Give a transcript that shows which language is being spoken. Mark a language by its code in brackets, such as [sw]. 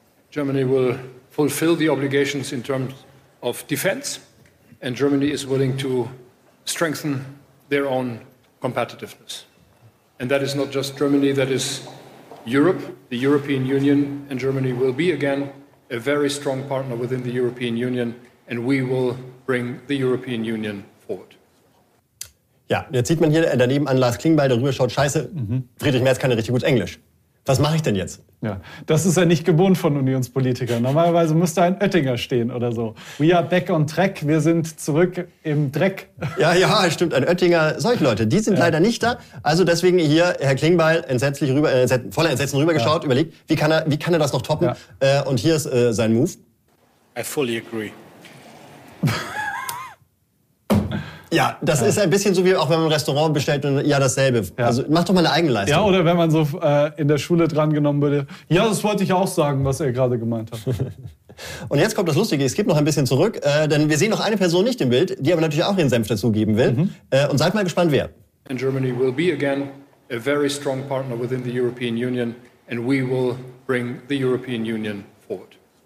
[en] Germany will fulfill the obligations in terms of defense, and Germany is willing to strengthen their own competitiveness. And that is not just Germany, that is Europe. The European Union and Germany will be again a very strong partner within the European Union, and we will bring the European Union forward. [de] Ja, jetzt sieht man hier daneben an Lars Klingbeil, darüber schaut, scheiße, Friedrich Merz kann ja richtig gut Englisch. Was mache ich denn jetzt? Ja, das ist ja nicht gewohnt von Unionspolitikern. Normalerweise müsste ein Oettinger stehen oder so. [en] We are back on track, [de] wir sind zurück im Dreck. Ja, ja, stimmt, ein Oettinger, solche Leute, die sind leider nicht da. Also deswegen hier Herr Klingbeil voller Entsetzen rübergeschaut, überlegt, wie kann er das noch toppen? Ja. Und hier ist sein Move. [en] I fully agree. [de] Ja, das ist ein bisschen so, wie auch wenn man ein Restaurant bestellt und ja, dasselbe. Ja. Also mach doch mal eine Eigenleistung. Ja, oder wenn man so in der Schule drangenommen würde. Ja, das wollte ich auch sagen, was er gerade gemeint hat. Und jetzt kommt das Lustige, es geht noch ein bisschen zurück, denn wir sehen noch eine Person nicht im Bild, die aber natürlich auch ihren Senf dazugeben will. Mhm. Und seid mal gespannt, wer. [en] And Germany will be again a very strong partner within the European Union and we will bring the European Union forward.